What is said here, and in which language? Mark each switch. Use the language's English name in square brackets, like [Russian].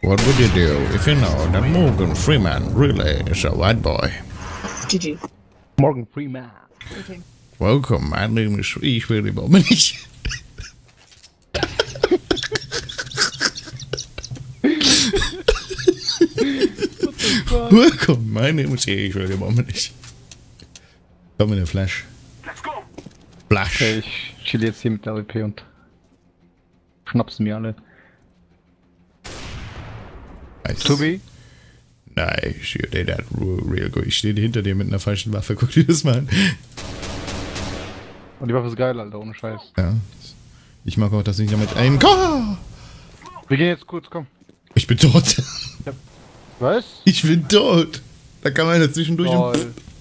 [English] What would you do if you know that Morgan Freeman really is a white boy? GG. Morgan Freeman. Okay. Welcome, my name is [German] Ich will die Bombe nicht. Welcome, mein Name ist hier, ich will die Bombe nicht. Komm in den Flash. [English] Let's go! Flash! [German] Okay, ich chill jetzt hier mit der RP und schnapsen mir alle. [English] Nice. Tobi? Nice, you did that real good. [German] Ich stehe hinter dir mit einer falschen Waffe, guck dir das mal an. Und die Waffe ist geil, Alter, ohne Scheiß. Ja. Ich mag auch, dass ich damit einen. Komm! Wir gehen jetzt kurz, komm. Ich bin tot. Was? Ich bin tot! Da kann man zwischendurch und.